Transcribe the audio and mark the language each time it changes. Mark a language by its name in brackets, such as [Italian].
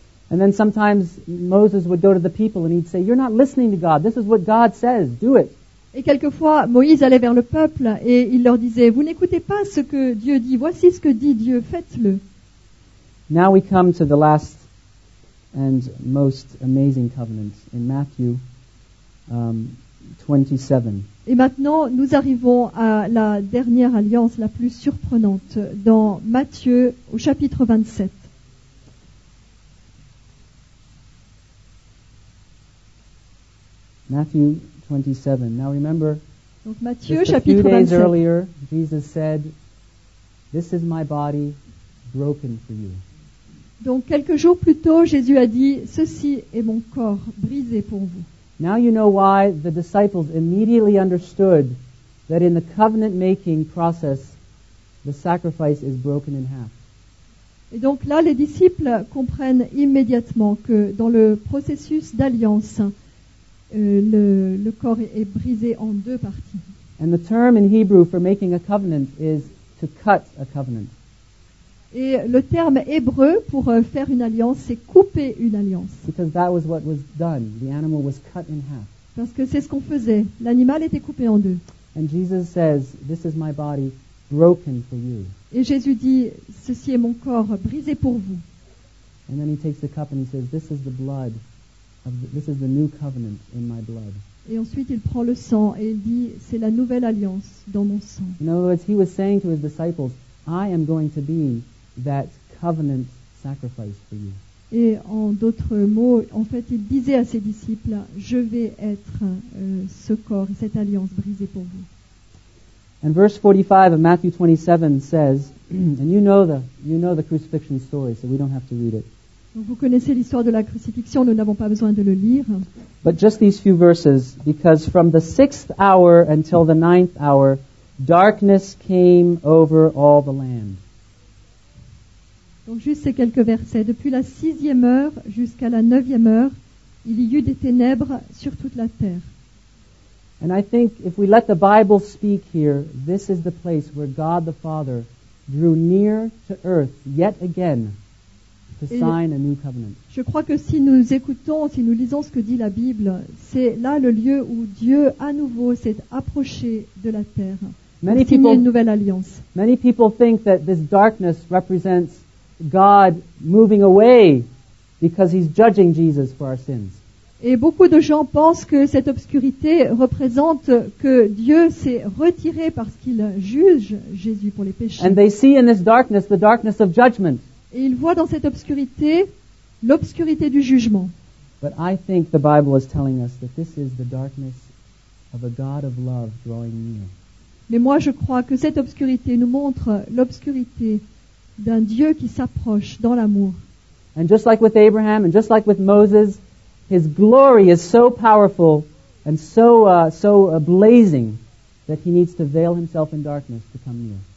[English] And then sometimes Moses would go to the people and he'd say, "You're not listening to God. This is what God says. Do it." [French] Et quelquefois, Moïse allait vers le peuple et il leur disait, "Vous n'écoutez pas ce que Dieu dit. Voici ce que dit Dieu. Faites-le." [English] Now we come to the last and most amazing covenant in Matthew 27. [French] Et maintenant, nous arrivons à la dernière alliance la plus surprenante dans Matthieu au chapitre 27. [English] Matthew 27. Now remember, [French] donc Matthieu chapitre 27. [English] Just a few days earlier, Jesus said, "This is my body broken for you." [French] Donc quelques jours plus tôt, Jésus a dit, "Ceci est mon corps brisé pour vous." [English] Now you know why the disciples immediately understood that in the covenant-making process, the sacrifice is broken in half. [French] Et donc là, les disciples comprennent immédiatement que dans le processus d'alliance, le corps est brisé en deux parties. [English] And the term in Hebrew for making a covenant is to cut a covenant. [French] Et le terme hébreu pour faire une alliance, c'est couper une alliance. [English] Because that was what was done. The animal was cut in half. [French] Parce que c'est ce qu'on faisait. L'animal était coupé en deux. [English] And Jesus says, "This is my body broken for you." [French] Et Jésus dit, "Ceci est mon corps brisé pour vous." [English] And then he takes the cup and he says, "This is the blood of this is the new covenant in my blood." [French] Et ensuite, il prend le sang et il dit, "C'est la nouvelle alliance dans mon sang." [English] In other words, he was saying to his disciples, "I am going to be that covenant sacrifice for you." [French] Et en d'autres mots, en fait, il disait à ses disciples, "Je vais être ce corps, cette alliance brisée pour vous." [English] And verse 45 of Matthew 27 says, and you know the crucifixion story, so we don't have to read it. [French] Donc vous connaissez l'histoire de la crucifixion, nous n'avons pas besoin de le lire. [English] But just these few verses, because from the sixth hour until the ninth hour, darkness came over all the land. [French] Donc juste ces quelques versets. Depuis la sixième heure jusqu'à la neuvième heure, il y eut des ténèbres sur toute la terre. [English] And I think if we let the Bible speak here, this is the place where God the Father drew near to earth yet again to sign a new covenant. [French] Je crois que si nous écoutons, si nous lisons ce que dit la Bible, c'est là le lieu où Dieu à nouveau s'est approché de la terre. [English] Many [French] pour signer une nouvelle alliance. [English] Many people think that this darkness represents God moving away because he's judging Jesus for our sins. [French] Et beaucoup de gens pensent que cette obscurité représente que Dieu s'est retiré parce qu'il juge Jésus pour les péchés. [English] And they see in this darkness the darkness of judgment. [French] Et ils voient dans cette obscurité l'obscurité du jugement. [English] But I think the Bible is telling us that this is the darkness of a God of love drawing near. [French] Mais moi je crois que cette obscurité nous montre l'obscurité d'un Dieu qui s'approche dans l'amour. [English] And just like with Abraham and just like with Moses, His glory is so powerful and so blazing that he needs to veil himself in darkness to come near.